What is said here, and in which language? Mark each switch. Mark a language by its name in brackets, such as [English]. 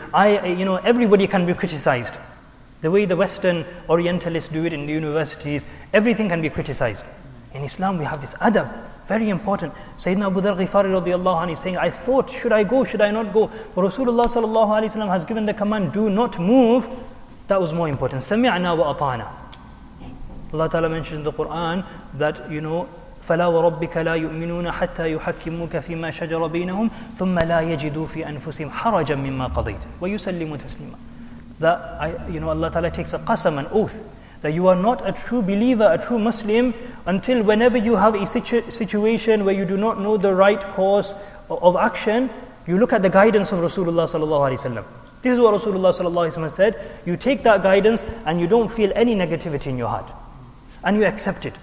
[English] I, everybody can be criticized. The way the Western Orientalists do it in the universities, everything can be criticized. In Islam, we have this adab, very important. Sayyidina Abu Dharr al-Ghifari radiallahu anhu is saying, I thought, should I go, should I not go? But Rasulullah sallallahu alayhi wa sallam has given the command, do not move. That was more important. [Arabic] Sami'na wa ata'na. [English] Allah Ta'ala mentions in the Quran that, you know, [Arabic] فَلَا وَرَبِّكَ لَا يُؤْمِنُونَ حَتَّى يُحَكِّمُكَ فِي مَا شَجَرَ بَيْنَهُمْ ثُمَّ لَا يَجِدُوا فِي أَنفُسِهِمْ حَرَجًا مِمَّا قَضَيْتَ وَيُسَلِّمُ تَسْلِيمًا. [English] That Allah Ta'ala takes a qasam, an oath, that you are not a true believer, a true Muslim, until whenever you have a situation where you do not know the right course of action, you look at the guidance of Rasulullah sallallahu alaihi wasallam. This is what Rasulullah sallallahu alaihi wasallam said. You take that guidance and you don't feel any negativity in your heart, and you accept it.